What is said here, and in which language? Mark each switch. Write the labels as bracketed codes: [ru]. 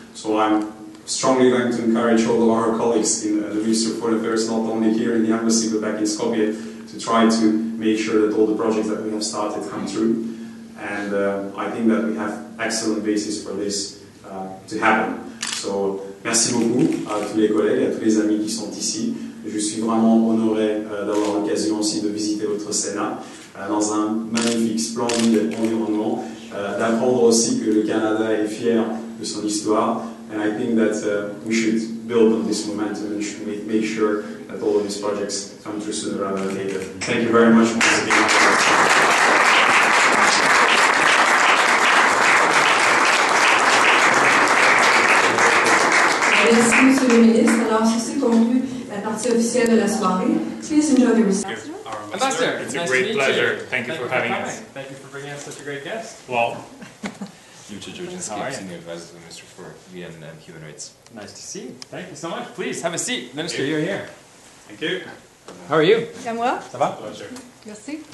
[en] So I'm strongly going to encourage all of our colleagues in the Ministry of Foreign Affairs, not only here in the embassy but back in Skopje, to try to make sure that all the projects that we have started come through. And I think that we have excellent basis for this to happen. [fr] So, merci beaucoup à tous les collègues, à tous les amis qui sont ici. Je suis vraiment honoré d'avoir l'occasion aussi de visiter votre Sénat dans un magnifique, splendide environnement, d'apprendre aussi que le Canada est fier de son histoire. [en] And I think that we should build on this momentum and should make sure that all of these projects come through sooner rather than later. Thank you very much for being here. [fr] Merci, Monsieur le Ministre. Alors, ceci conclut la partie officielle de la soirée. [en] Please enjoy the reception. Ambassador, it's a great pleasure. Thank you for having us. Thank you for bringing us such a great guest. Well. Senior Advisor to the Minister for VN and Human Rights. Nice to see you. Thank you so much. Please, have a seat. Minister, you're here. Thank you. How are you? I'm well. [fr] Ça va? Merci.